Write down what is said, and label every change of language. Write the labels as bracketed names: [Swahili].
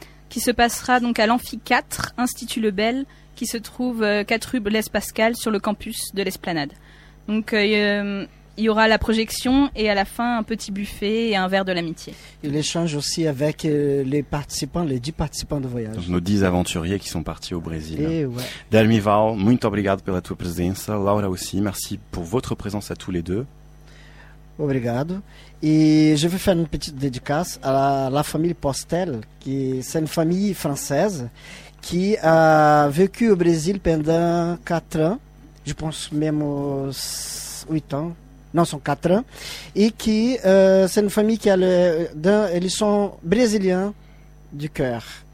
[French] Qui se passera donc à l'Amphi 4, Institut Lebel, qui se trouve 4 rue Blaise Pascal, sur le campus de l'Esplanade. Donc il y aura la projection et à la fin un petit buffet et un verre de l'amitié. Et l'échange aussi avec les participants, les 10 participants de voyage. Donc nos 10 aventuriers qui sont partis au Brésil. Et ouais. [Portuguese] Darmival, muito obrigado pela tua presença. [French] Laura aussi, merci pour votre présence à tous les deux. [Portuguese] Obrigado. [French] E je vais faire une petite dédicace à la famille Postel, qui c'est une famille française qui a vécu au Brésil pendant 4 ans, je pense même 8 ans, non, sont 4 ans, et qui c'est une famille qui a ils sont brésiliens du cœur.